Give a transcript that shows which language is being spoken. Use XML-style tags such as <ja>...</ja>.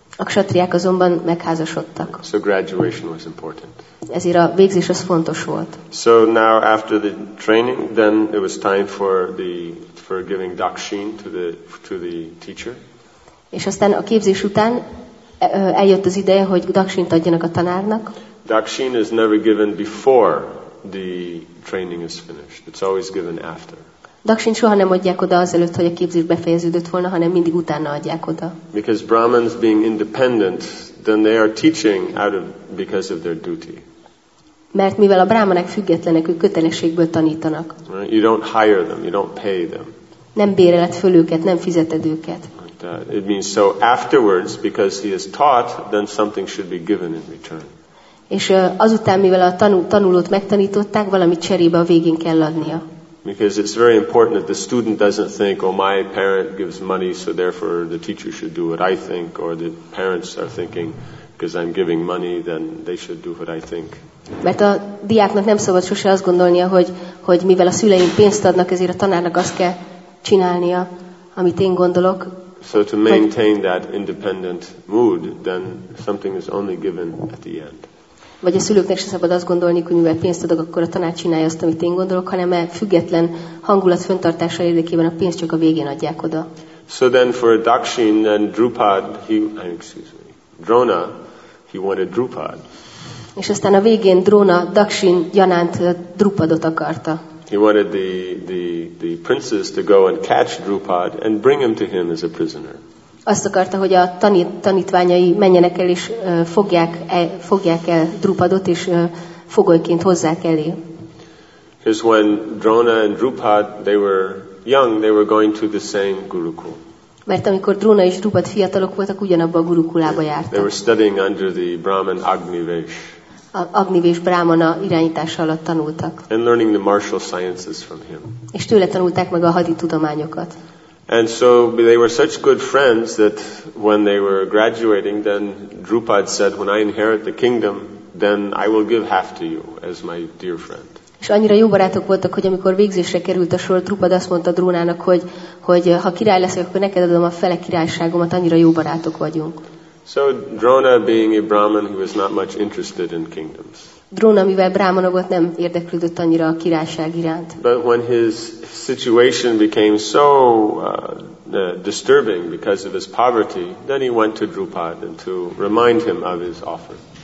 <hu>A kshatriák azonban megházasodtak.</hu> <en>So graduation was important.</en> <hu>Ezért a végzés az fontos volt.</hu> <en>So now after the training, then it was time for giving dakshin to the teacher.</en> <hu>És aztán a képzés után eljött az ideje, hogy dakshint adjanak a tanárnak.</hu> <en>Dakshin is never given before the training is finished. It's always given after.</en> <hu>Dakshin soha nem adják oda azelőtt, hogy a képzés befejeződött volna, hanem mindig utána adják oda.</hu> <en>Because Brahmins being independent, then they are teaching because of their duty.</en> <hu>Mert mivel a brahmanek függetlenek, ők kötelességből tanítanak.</hu> <en>Right? You don't hire them, you don't pay them.</en> <hu>Nem béreled föl őket, nem fizeted őket.</hu> <en>It means so afterwards, because he is taught, then something should be given in return.</en> <hu>És azután, mivel a tanulót megtanították, valamit cserébe a végén kell adnia.</hu> <en>Because it's very important that the student doesn't think, oh, my parent gives money, so therefore the teacher should do what I think, or the parents are thinking, because I'm giving money, then they should do what I think.</en> <hu>Mert a diáknak nem szabad sose azt gondolnia, hogy mivel a szüleim pénzt adnak, ezért a tanárnak azt kell csinálnia, amit én gondolok.</hu> <en>So to maintain that independent mood, then something is only given at the end.</en> <hu>Vagy a szülőknek sem szabad azt gondolni, hogy mivel pénzt adok, akkor a tanár csinálja azt, amit én gondolok, hanem független hangulat föntartása érdekében a pénzt csak a végén adják oda.</hu> <en>So then for dakshin and Drupad, Drona, he wanted Drupad.</en> <hu>És aztán a végén Drona, dakshin, Janant, Drupadot akarta.</hu> <en>He wanted the princes to go and catch Drupad and bring him to him as a prisoner.</en> <hu>Azt akarta, hogy a tanítványai menjenek el és fogják el Drupadot, és fogolyként hozzák elé.</hu> <en>Because when Drona and Drupad, they were young, they were going to the same gurukul.</en> <hu>Mert amikor Drona és Drupad fiatalok voltak, ugyanabban a gurukulába jártak.</hu> <en>They were studying under the Brahman Agnivesh.</en> <hu>Agnivesh brahmana irányítása alatt tanultak.</hu> <en>And learning the martial sciences from him.</en> <hu>És tőle tanulták meg a haditudományokat.</hu> <en>And so they were such good friends that when they were graduating, then Drupad said, when I inherit the kingdom, then I will give half to you as my dear friend.</en> <hu>És annyira jó barátok voltak, hogy amikor végzésre került a sor, Drupad azt mondta Drónának, hogy ha király leszek, akkor neked adom a fele királyságomat, annyira jó barátok vagyunk.</hu> <en>So Drona, being a Brahmin, he was not much interested in kingdoms.</en> <hu>Drona, mivel Brahmana volt, nem érdeklődött annyira a királyság iránt.</hu> <en>But when his situation became so disturbing because of his poverty, then he went to Drupad and to remind him of his offer.</en>